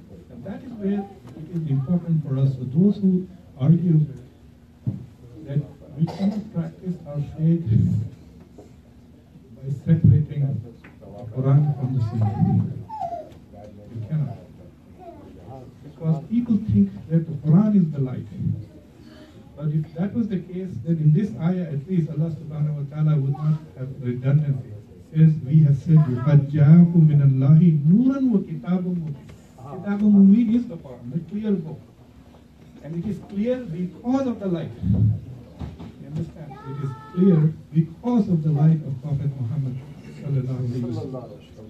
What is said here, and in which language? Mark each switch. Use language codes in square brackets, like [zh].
[en] And that is where it is important for us, for those who argue that we cannot practice our faith by separating the Quran from the Sunnah. We cannot. Because people think that the Quran is the light. But if that was the case, then in this ayah at least Allah subhanahu wa ta'ala would not have redundancy. Says, we have said you, [ar] قَدْ جَاءَكُمْ مِنَ اللَّهِ نُورًا وَكِتَابٌ مُبِينٌ. كِتَابٌ مُبِينٌ [en] is the Quran, the clear book. And it is clear because of the light. You understand? It is clear because of the light of Prophet Muhammad sallallahu alayhi wa sallam.